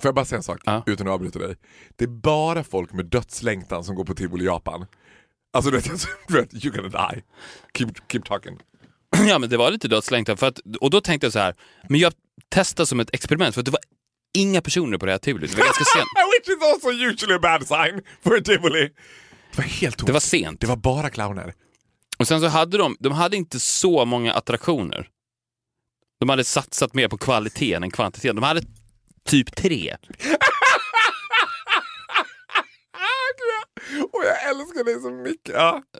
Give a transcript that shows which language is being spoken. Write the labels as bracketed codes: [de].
[sv] Får jag bara säga en sak, utan att avbryta dig. Det är bara folk med dödslängtan som går på Tivoli i Japan. Alltså du vet, [en] you're gonna die. Keep talking. [sv] Ja, men det var lite dödslängtan. För att, och då tänkte jag så här, men jag testade som ett experiment. För att det var inga personer på det här Tivoli. Det var ganska sent. [en] Which is also usually a bad sign for a Tivoli. [sv] Det var helt tomt. Det var sent. Det var bara clowner. Och sen så hade de hade inte så många attraktioner. De hade satsat mer på kvaliteten än kvantiteten. De hade typ 3. Och jag älskar dig så mycket. Ja.